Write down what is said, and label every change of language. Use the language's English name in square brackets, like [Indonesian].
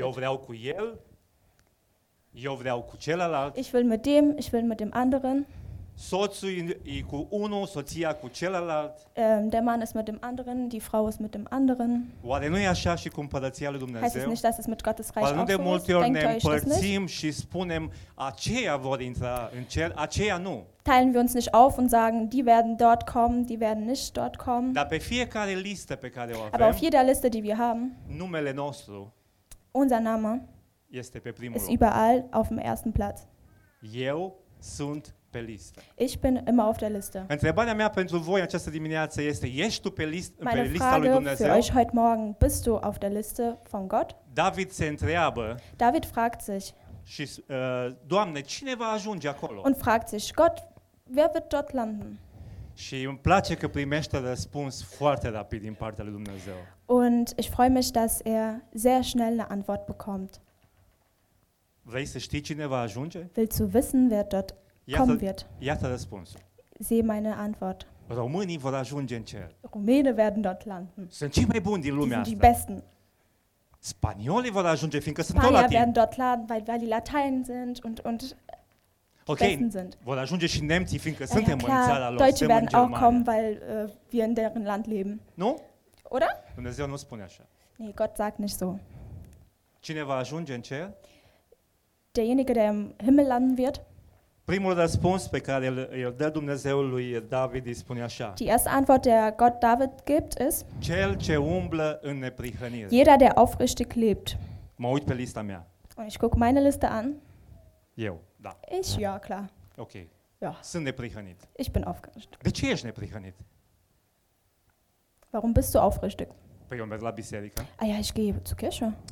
[Romanian] Eu vreau cu el, eu vreau cu celălalt. [German] Ich will mit dem, ich will mit dem anderen. [Romanian] Soțul e cu unul, soția cu celălalt. [German] Der Mann ist mit dem anderen, die Frau ist mit dem anderen. [Romanian] Oare nu e așa și cu împărăția lui Dumnezeu? [German] Heißt es nicht, dass es mit Gottes Reich auch so ist? [Romanian] Oare nu de multe ori ne împărțim și spunem aceia vor intra în cer, aceia nu? [German] Teilen wir uns nicht auf und sagen, die werden dort kommen, die werden nicht dort kommen. [Romanian] Dar pe fiecare listă pe care o avem, [German] aber auf jeder Liste, die wir haben, [Romanian] numele nostru, [German] unser Name, [Romanian] este pe primul [German] ist überall auf dem ersten Platz. [Romanian] Eu sunt pe listă. [German] Ich bin immer auf der Liste. [Romanian] Întrebarea mea pentru voi această dimineață este, ești tu pe listă, pe lista lui Dumnezeu? [German] Meine Frage für euch heute Morgen, bist du auf der Liste von Gott? [Romanian] David se întreabă. [German] David fragt sich. [Romanian] Și, Doamne, cine va ajunge acolo? [German] Und fragt sich, Gott, wer wird dort landen? [Romanian] Și îmi place că primește răspuns foarte rapid din partea lui Dumnezeu. [German] Und ich freue mich, dass er sehr schnell eine Antwort bekommt. [Romanian] Vrei să știi cine va ajunge? [German] Willst du wissen, wer dort kommen wird? [Romanian] Iată răspunsul. [German] Sehe meine Antwort. [Romanian] Românii vor ajunge în cer. [German] Rumänen werden dort landen. [Romanian] Sunt cei mai buni din lumea asta. [German] Die sind die besten. [Romanian] Spaniolii vor ajunge, fiindcă sunt toți latini. [German] Spanier werden dort landen, weil die Latein sind und okay, besten sind. [Romanian] Vor ajunge și nemții, fiindcă suntem [German] klar, [Romanian] în țara lor. [German] Deutsche werden auch kommen, weil wir in deren Land leben. [Romanian] Nu? [German] Oder? [Romanian] Dumnezeu nu spune așa. [German] Nee, Gott sagt nicht so. [Romanian] Cine va ajunge în cer? [German] Derjenige, der im Himmel landen wird. [Romanian] Primul răspuns pe care îl dă Dumnezeul lui David îi spune așa. [German] Die erste Antwort, der Gott David gibt, ist [Romanian] cel ce umblă în neprihănire. [German] Jeder, der aufrichtig lebt. [Romanian] Mă uit pe lista mea. [German] Und ich guck meine Liste an. [Romanian] Eu, da. [German] Ich, ja, klar. Ok. Ja. [Romanian] Sunt neprihănit. [German] Ich bin aufrichtig. [Romanian] De ce ești neprihănit? [German] Warum bist du aufrichtig? [Romanian] Păi eu merg la biserică. [German] Ah ja, ich gehe zur Kirche.